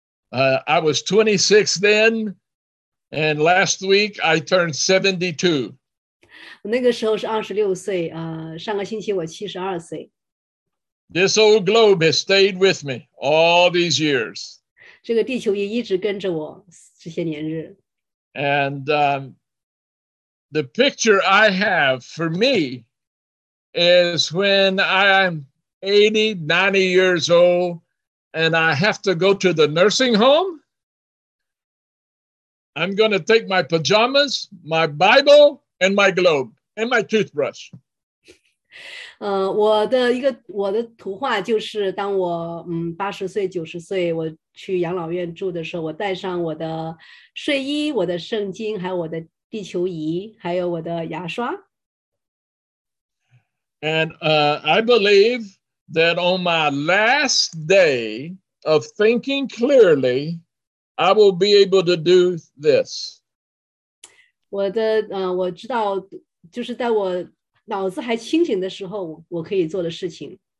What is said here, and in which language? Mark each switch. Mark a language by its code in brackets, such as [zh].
[en] I was 26 then, and last week I turned 72. [zh] 那个时候是26岁，上个星期我72岁。 [en] This old globe has stayed with me all these years. [zh] 这个地球仪一直跟着我这些年日。 [en] And the picture I have for me is when I'm 80, 90 years old and I have to go to the nursing home, I'm going to take my pajamas, my Bible, and my globe, and my toothbrush. [zh] 我的图画就是当我80岁、90岁，我去养老院住的时候，我带上我的睡衣、我的圣经，还有我的地球仪，还有我的牙刷。 [en] And I believe that on my last day of thinking clearly, I will be able to do this. [zh] 我知道，就是在我脑子还清醒的时候，我可以做的事情。